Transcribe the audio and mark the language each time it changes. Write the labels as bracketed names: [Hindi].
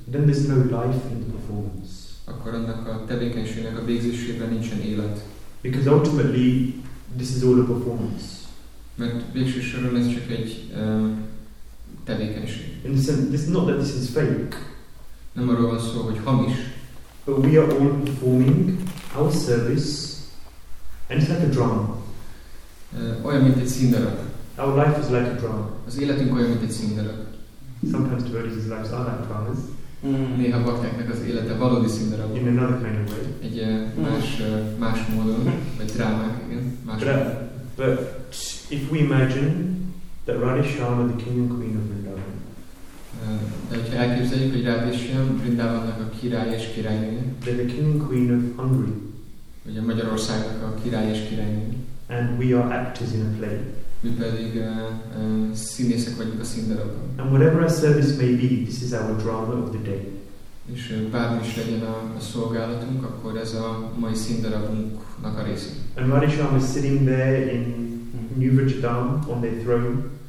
[English] then there's no life in the performance. [Hungarian] Akkor annak a tevékenységnek a végzésében nincsen élet. [English] Because ultimately, this is all a performance. [Hungarian] Mert végső soron ez csak egy tevékenység. [English] In the sense, this, not that this is fake. [Hungarian] Nem arról van szó, hogy hamis. [English] But we are all performing our service, and it's like a drama. [Hungarian] Olyan, mint egy színdarab. [English] Our life is like a drama. [Hungarian] Az életünk olyan, mint egy színdarab. [English] Sometimes devotees' lives are like dramas. [Hungarian] Néha baktáknak az élete valódi színdarab. [English] In another kind of way. [Hungarian] Egy más módon, vagy drámák, igen. Más [English] But if we imagine that Radha Shyama, the king and queen of Vrindavan, [Hungarian] de hogyha elképzeljük, hogy Radha Shyama Vrindavannak a király és királynője, [English] they're the king and queen of Hungary, [Hungarian] vagy a Magyarországnak a király és királynője, [English] and we are actors in a play, [Hungarian] mi pedig színészek vagyunk a színdarabban, [English] and whatever our service may be, this is our drama of the day, [Hungarian] és bármi is legyen a szolgálatunk, akkor ez a mai színdarabunknak a része. [English] And Radha Shyama is sitting there in New Vrindavan on their throne.